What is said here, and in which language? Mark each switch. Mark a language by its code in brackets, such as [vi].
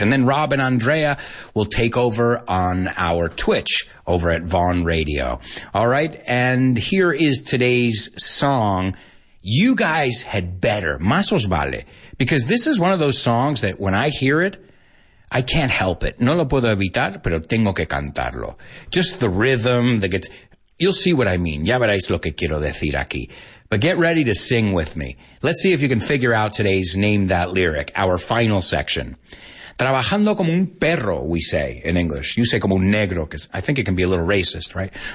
[en] And then Rob and Andrea will take over on our Twitch over at Vaughn Radio. All right, and here is today's song. You guys had better, [es] más os vale, [en] because this is one of those songs that when I hear it, I can't help it. [es] No lo puedo evitar, pero tengo que cantarlo. [en] Just the rhythm, the you'll see what I mean. [es] Ya veréis lo que quiero decir aquí. [en] But get ready to sing with me. Let's see if you can figure out today's Name That Lyric, our final section. [es] Trabajando como un perro, [en] we say in English. You say [es] como un negro, [en] because I think it can be a little racist, right?